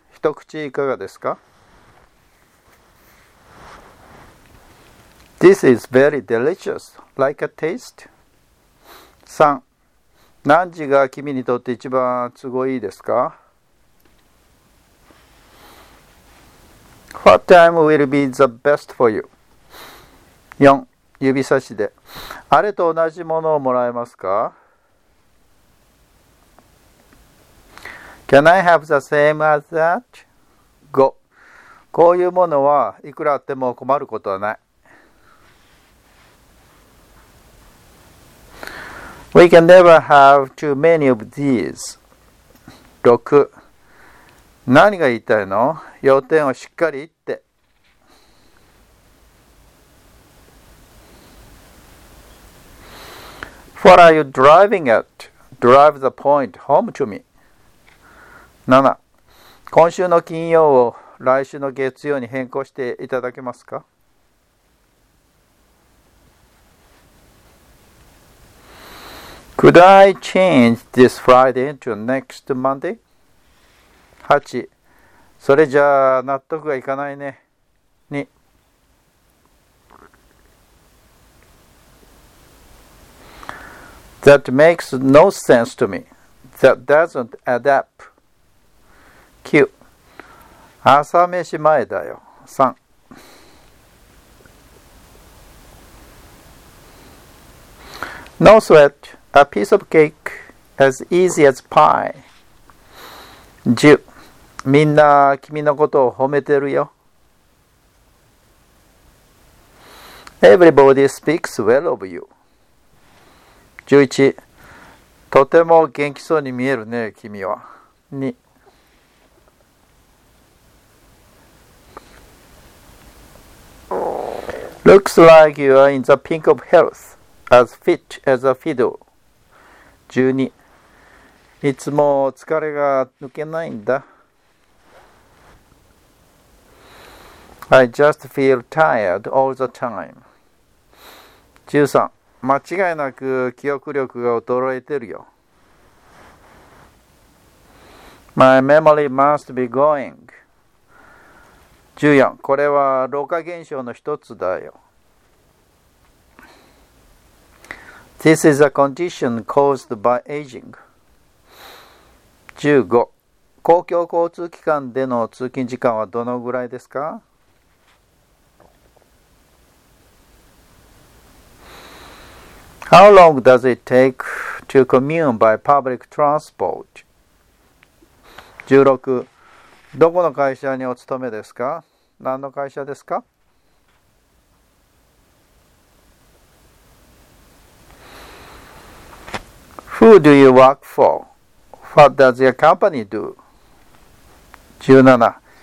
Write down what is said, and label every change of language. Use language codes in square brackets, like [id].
[ja] 一口いかがですか？ [en] This is very delicious. Like a taste? [ja] 3、何時が君にとって一番都合いいですか？ [en] What time will be the best for you? [ja] 4、指差しで。あれと同じものをもらえますか？ [en] Can I have the same as that? [ja] 5、こういうものはいくらあっても困ることはない。 [en] We can never have too many of these. [ja] 6. 何が言いたいの？要点をしっかり言って。 [en] What are you driving at? Drive the point home to me. 7. [ja] 今週の金曜を来週の月曜に変更していただけますか？ [en] Could I change this Friday into next Monday? 8. [ja] それじゃあ納得がいかないね。 2. [en] That makes no sense to me. That doesn't add up. 9. [ja] 朝飯前だよ。3. [en] No sweat. A piece of cake as easy as pie. 10. [ja] みんな君のことを褒めてるよ。 [en] Everybody speaks well of you. 11. [ja] とても元気そうに見えるね、君は。 2. [en] Looks like you are in the pink of health, as fit as a fiddle. 12. [ja] いつも疲れが抜けないんだ。 [en] I just feel tired all the time. 13. [ja] 間違いなく記憶力が衰えてるよ。 [en] My memory must be going. 14. [ja] これは老化現象の一つだよ。 [en] This is a condition caused by aging. 15. [ja] 公共交通機関での通勤時間はどのぐらいですか？ [en] How long does it take to commute by public transport? 16. [ja] どこの会社にお勤めですか？何の会社ですか？ [en] Who do you work for? What does your company do? 17.